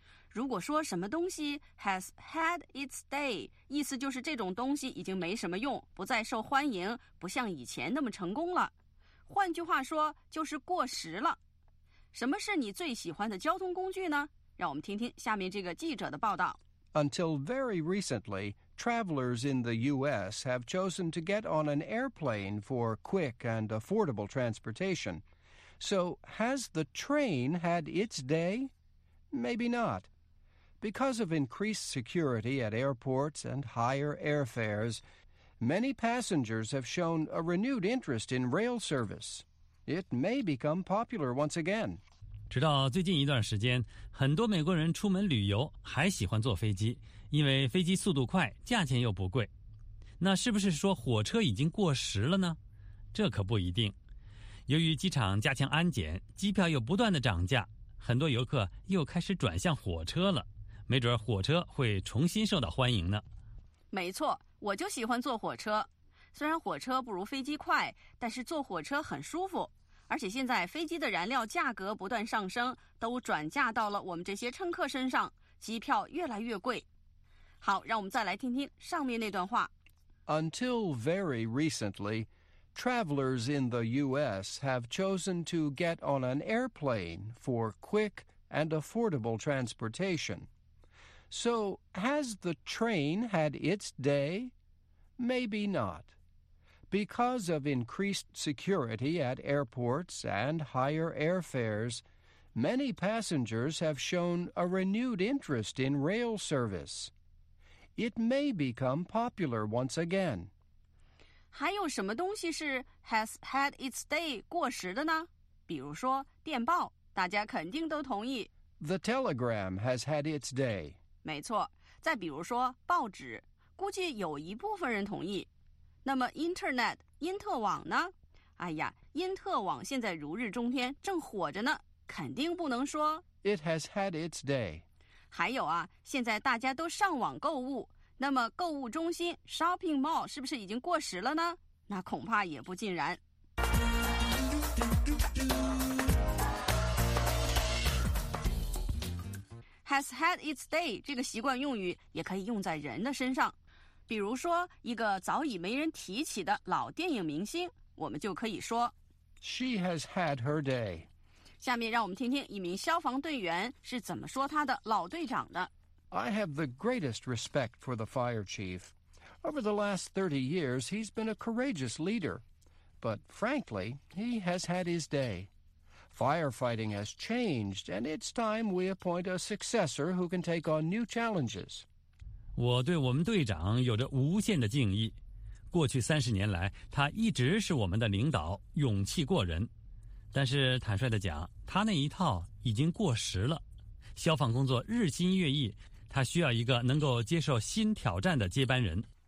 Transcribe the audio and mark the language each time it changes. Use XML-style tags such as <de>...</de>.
<zh>如果说什么东西</zh> <en>Has had its day，</en> <zh>意思就是这种东西已经没什么用，不再受欢迎，不像以前那么成功了，换句话说就是过时了。什么是你最喜欢的交通工具呢？让我们听听下面这个记者的报道。</zh> <en>Until very recently, travelers in the U.S. have chosen to get on an airplane for quick and affordable transportation. So, has the train had its day? Maybe not. Because of increased security at airports and higher airfares, many passengers have shown a renewed interest in rail service. It may become popular once again.</en> <zh>直到最近一段时间，很多美国人出门旅游还喜欢坐飞机，因为飞机速度快，价钱又不贵。那是不是说火车已经过时了呢？这可不一定。由于机场加强安检，机票又不断的涨价，很多游客又开始转向火车了。没准火车会重新受到欢迎呢。没错，我就喜欢坐火车。虽然火车不如飞机快，但是坐火车很舒服。而且现在飞机的燃料价格不断上升，都转嫁到了我们这些乘客身上，机票越来越贵。好，让我们再来听听上面那段话。</zh> <en>Until very recently, travelers in the U.S. have chosen to get on an airplane for quick and affordable transportation. So, has the train had its day? Maybe not. Because of increased security at airports and higher airfares, many passengers have shown a renewed interest in rail service. It may become popular once again.</en> <zh>还有什么东西是</zh> <en>has had its day</en> <zh>过时的呢？比如说电报，大家肯定都同意。</zh> <en>The telegram has had its day.</en> <zh>没错，再比如说报纸，估计有一部分人同意。那么 Internet 因特网呢？哎呀，因特网现在如日中天，正火着呢，肯定不能说</zh> <en>It has had its day.</en> <zh>还有啊，现在大家都上网购物，那么购物中心 Shopping Mall 是不是已经过时了呢？那恐怕也不尽然。</zh> <en>Has had its day</en> <zh>这个习惯用语也可以用在人的身上。比如说一个早已没人提起的老电影明星，我们就可以说</zh> <en>She has had her day.</en> <zh>下面让我们听听一名消防队员是怎么说他的老队长的。</zh> <en>I have the greatest respect for the fire chief. Over the last 30 years, he's been a courageous leader. But frankly, he has had his day. Firefighting has changed, and it's time we appoint a successor who can take on new challenges.</en> <zh>我对我们队长有着无限的敬意，过去30年来，他一直是我们的领导，勇气过人。但是坦率地讲，他那一套已经过时了。消防工作日新月异，他需要一个能够接受新挑战的接班人。</zh>